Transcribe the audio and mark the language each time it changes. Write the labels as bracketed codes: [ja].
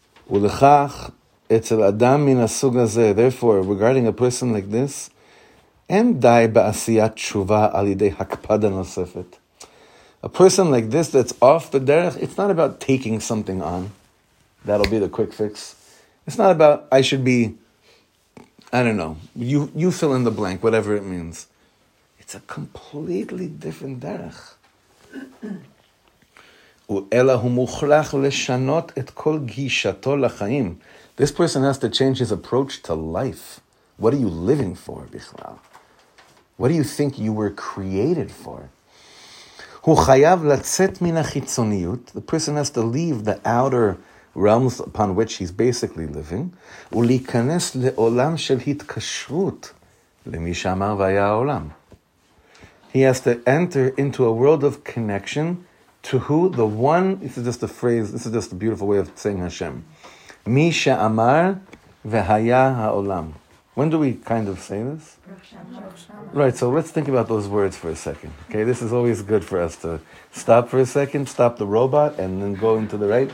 [he] ולכך, אצל אדם מן הסוג הזה, [en] therefore, regarding a person like this, [he] אין די בעשיית תשובה על ידי הקפדה נוספת. [en] A person like this that's off the derech, it's not about taking something on. That'll be the quick fix. It's not about, I should be, I don't know, you fill in the blank, whatever it means. It's a completely different derech. [he] ואלא הוא מוכרח לשנות את כל גישתו לחיים. [en] This person has to change his approach to life. What are you living for, בכלל? What do you think you were created for? [he] הוא חייב לצאת מן החיצוניות. [en] The person has to leave the outer realms upon which he's basically living. [he] ולהיכנס לעולם של התקשרות למי שאמר והיה העולם. [en] He has to enter into a world of connection to who? The one, this is just a phrase, this is just a beautiful way of saying Hashem. [he] Mi she'amar v'haya ha'olam. [en] When do we kind of say this? Right, so let's think about those words for a second. Okay, this is always good for us to stop for a second, stop the robot, and then go into the right.